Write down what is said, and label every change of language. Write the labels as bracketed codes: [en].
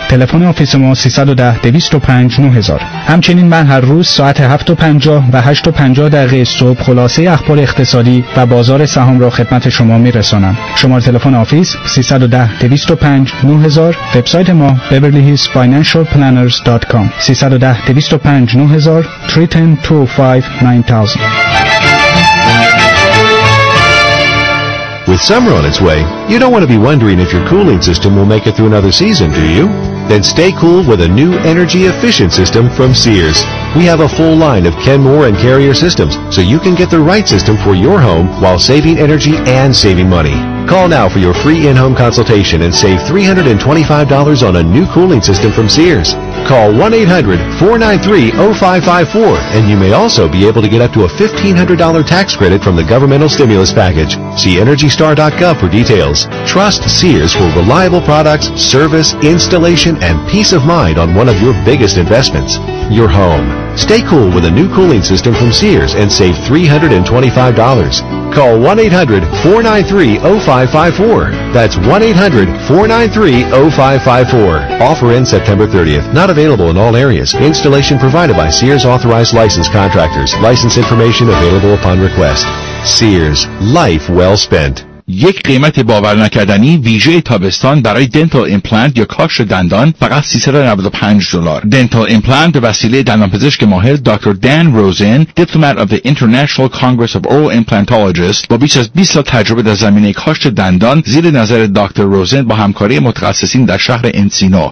[fa] تلفن آفیس ما 310-205-9000. همچنین من هر روز ساعت 7:50 و 8:50 دقیقه صبح خلاصه اخبار اقتصادی و بازار سهام را خدمت شما میرسانم. شماره تلفن آفیس 310-205-9000. وبسایت ما beverlyhillsfinancialplanners.com 310-205-9000 310-205-9000. [en] With summer on its way, you don't want to be wondering if your cooling system will make it through another season, do you? Then stay cool with a new energy-efficient system from Sears. We have a full line of Kenmore and Carrier systems, so you can get the right system for your home while saving energy and saving money. Call now for your free in-home consultation and save $325 on a new cooling system from Sears. Call 1-800-493-0554, and you may also be able to get up to a $1,500 tax credit from the governmental stimulus package. See EnergyStar.gov for details. Trust Sears for reliable products, service, installation, and peace of mind on one of your biggest investments, your home. Stay cool with a new cooling system from Sears and save $325. Call 1-800-493-0554. That's 1-800-493-0554. Offer ends September 30th. Not available in all areas. Installation provided by Sears Authorized License Contractors. License information available upon request. Sears. Life well spent. [fa] یک قیمت باور نکردنی ویژه تابستان برای دنتال ایمپلنت یا کاش دندان فقط $395. دنتال ایمپلنت به وسیله دندانپزشک ماهر دکتر دن روزن، دیپلمات اف دی انٹرنشنال کانگرس اف اورال ایمپلنتولوژیست، با بیش از 20 سال تجربه در زمینه کاش دندان زیر نظر دکتر روزن با همکاری متخصصین در شهر انسینو.